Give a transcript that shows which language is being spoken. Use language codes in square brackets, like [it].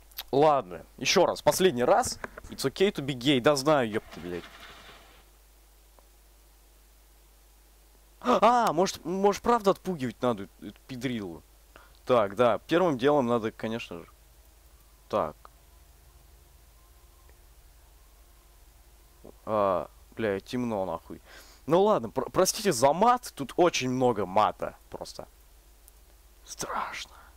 [ru] Ладно, еще раз, последний раз. [en] It's okay to be gay, [ru] да знаю, ёпта, блядь. А, может, правда отпугивать надо эту пидрилу? Так, да, первым делом надо, конечно же. Так. А, бля, темно, нахуй. Ну ладно, простите за мат, тут очень много мата, просто. Страшно.